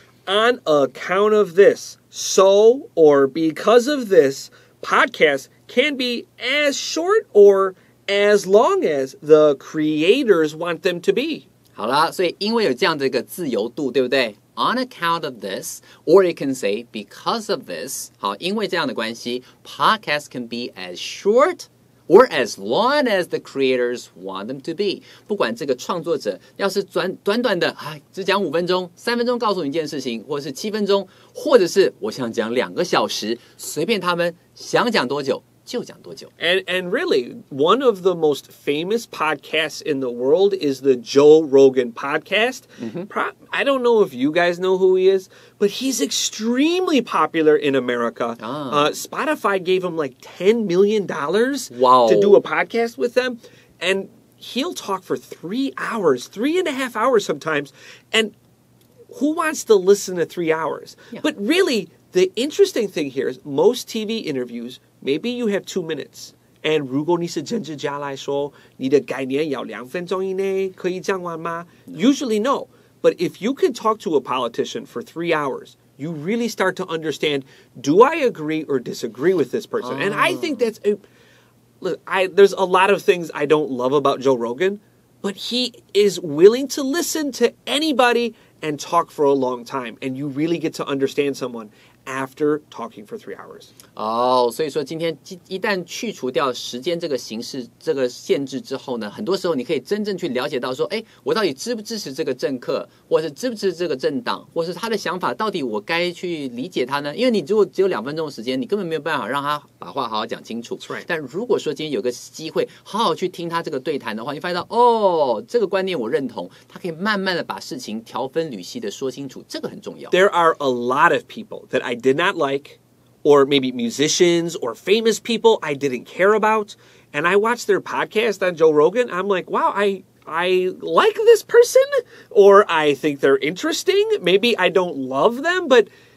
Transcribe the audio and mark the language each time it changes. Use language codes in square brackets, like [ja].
[en] On account of this, so or because of this, podcasts can be as short or as long as the creators want them to be. [zh] 好啦，所以因为有这样的一个自由度，对不对？ [en] On account of this, or you can say because of this, [zh] 好，因为这样的关系， [en] podcasts can be as short or as long as the creators want them to be. [zh] 不管这个创作者要是短短的只讲五分钟三分钟告诉你一件事情，或者是七分钟，或者是我想讲两个小时，随便他们想讲多久就讲多久。 [en] And really, one of the most famous podcasts in the world is the Joe Rogan podcast.、 Mm-hmm. I don't know if you guys know who he is, but he's extremely popular in America.、Spotify gave him like $10 million、 wow. to do a podcast with them. And he'll talk for 3 hours, 3.5 hours sometimes. And who wants to listen to 3 hours?、 Yeah. But really, the interesting thing here is most TV interviewsMaybe you have 2 minutes, and [zh] 如果你是政治家来说，你的概念要两分钟以内，可以讲完吗？ [en] Usually no, but if you can talk to a politician for 3 hours, you really start to understand, do I agree or disagree with this person? And I think that's, there's a lot of things I don't love about Joe Rogan, but he is willing to listen to anybody and talk for a long time, and you really get to understand someone. After talking for 3 hours. [zh] 所以说今天一旦去除掉时间这个形式这个限制之后呢，很多时候你可以真正去了解到说，哎，我到底支不支持这个政客，或是支不支持这个政党，或是他的想法到底我该去理解他呢？因为你如果只有两分钟的时间，你根本没有办法让他把话好好讲清楚。 [en] That's right. [zh] 但如果说今天有个机会好好去听他这个对谈的话，你发现到这个观念我认同，他可以慢慢的把事情条分缕析的说清楚，这个很重要。 [en] There are a lot of people that I did not like, or maybe musicians or famous people I didn't care about, and I watched their podcast on Joe Rogan, I'm like, wow, I like this person, or I think they're interesting, maybe I don't love them, but...